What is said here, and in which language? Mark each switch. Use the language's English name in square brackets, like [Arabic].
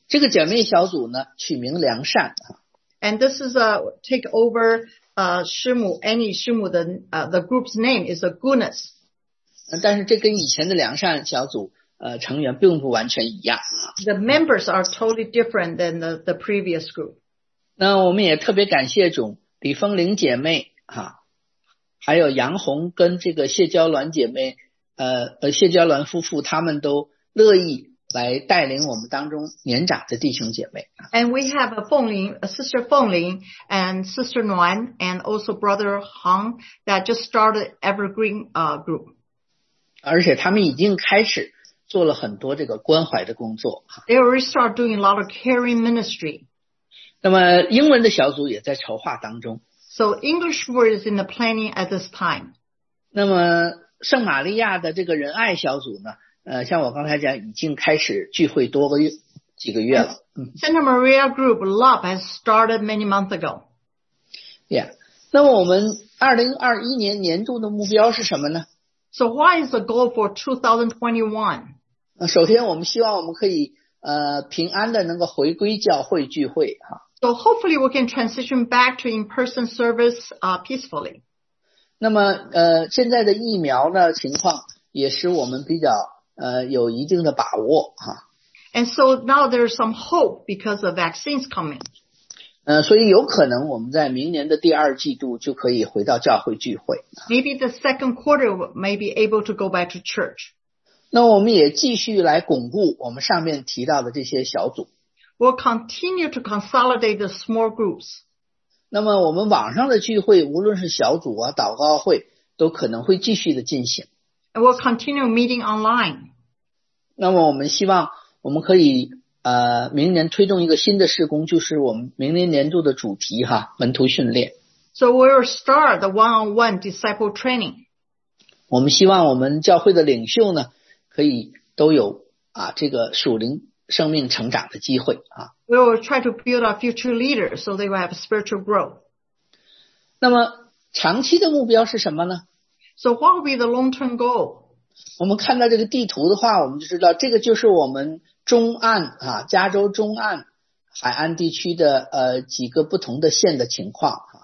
[Chinese] 这个姐妹小组呢取名良善。 [English] And this is take over, 师母 Annie 师母的the group's name is a goodness. [Chinese] 但是这跟以前的良善小组成员并不完全一样。 [English] The members are totally different than the previous group. [Chinese] 那我们也特别感谢总李峰玲姐妹啊，还有杨红跟这个谢娇鸾姐妹谢娇鸾夫妇他们都乐意来带领我们当中年长的弟兄姐妹。 [English] And we have Sister Feng Ling and Sister Nguyen and also Brother Hong that just started Evergreen group. [Chinese] 而且他们已经开始做了很多这个关怀的工作。 [English] They already start doing a lot of caring ministry. [Chinese] 那么英文的小组也在筹划当中。 [English] So English word is in the planning at this time. [Chinese] 那么圣玛利亚的这个仁爱小组呢像我刚才讲已经开始聚会多个月几个月了。 [English] Santa Maria Group Love has started many months ago. Yeah. [Chinese] 那么我们2021年年度的目标是什么呢 [English] ?So what is the goal for 2021? [Chinese] 首先我们希望我们可以平安的能够回归教会聚会。 [English] So hopefully we can transition back to in-person service, peacefully. [Chinese] 那么现在的疫苗呢情况也使我们比较有一定的把握哈。 [English] And so now there's some hope because the vaccine's coming. [Chinese] 所以有可能我们在明年的第二季度就可以回到教会聚会。 [English] Maybe the second quarter may be able to go back to church. [Chinese] 那我们也继续来巩固我们上面提到的这些小组。 [English] We'll continue to consolidate the small groups. [Chinese] 那么我们网上的聚会无论是小组啊祷告会都可能会继续的进行。 [English] And we'll continue meeting online. [Chinese] 那么我们希望我们可以明年推动一个新的事工就是我们明年年度的主题哈门徒训练。 [English] So we'll start the one-on-one disciple training. [Chinese] 我们希望我们教会的领袖呢可以都有这个属灵生命成长的机会啊。 [English] We will try to build our future leaders so they will have spiritual growth. [Chinese] 那么长期的目标是什么呢 [English] ?So what will be the long-term goal? [Chinese] 我们看到这个地图的话，我们就知道这个就是我们中岸啊，加州中岸海岸地区的几个不同的县的情况。